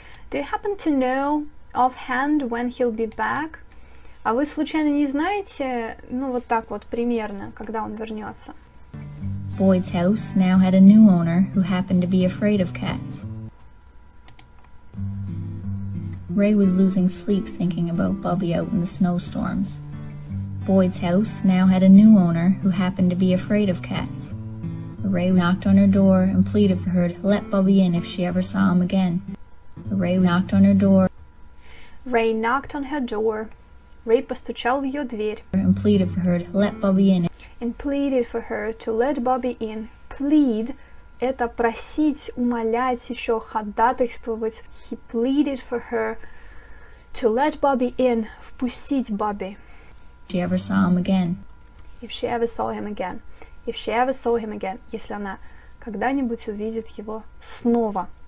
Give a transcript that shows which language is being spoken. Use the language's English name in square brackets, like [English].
[English] Do you happen to know offhand when he'll be back? [Russian] А вы случайно не знаете, ну вот так вот примерно, когда он вернется? [English] Boyd's house now had a new owner who happened to be afraid of cats. Ray was losing sleep thinking about Bubby out in the snowstorms. Boyd's house now had a new owner who happened to be afraid of cats. Ray knocked on her door and pleaded for her to let Bubby in if she ever saw him again. Ray knocked on her door. Ray knocked on her door. Ray [Russian] постучал в ее дверь. [English] And pleaded for her to let Bubby in. And pleaded for her to let Bubby in. [Russian] Plead – это просить, умолять, еще ходатайствовать. [English] He pleaded for her to let Bubby in – [Russian] впустить Бабби. [English] If she ever saw him again. If she ever saw him again. If she ever saw him again. [Russian] Если она когда-нибудь увидит его снова.